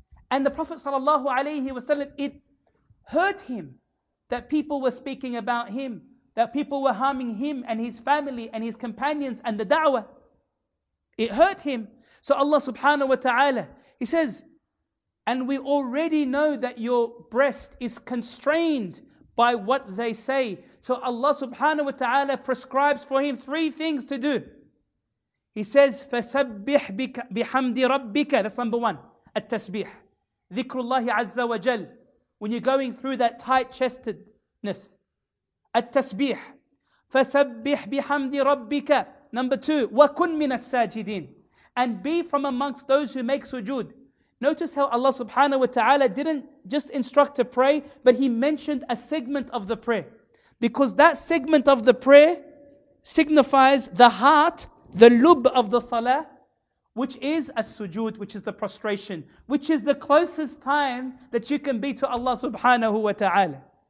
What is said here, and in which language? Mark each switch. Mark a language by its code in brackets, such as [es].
[en] And the Prophet sallallahu alayhi wa sallam, it hurt him that people were speaking about him, that people were harming him and his family and his companions and the da'wah. It hurt him. So Allah subhanahu wa ta'ala, he says, and we already know that your breast is constrained by what they say. So Allah subhanahu wa ta'ala prescribes for him three things to do. He says, [ar] فَسَبِّحْ بِحَمْدِ رَبِّكَ. [en] That's number one, التسبيح. [ar] ذكرullah عز وجل. [en] When you're going through that tight-chestedness. [ar] التسبيح. فَسَبِّحْ بِحَمْدِ رَبِّكَ. [en] Number two, [ar] وَكُنْ مِنَ السَّاجِدِينَ. [en] And be from amongst those who make sujood. Notice how Allah subhanahu wa ta'ala didn't just instruct to pray, but He mentioned a segment of the prayer. Because that segment of the prayer signifies the heart, the lub of the salah, which is as-sujood, which is the prostration, which is the closest time that you can be to Allah subhanahu wa ta'ala.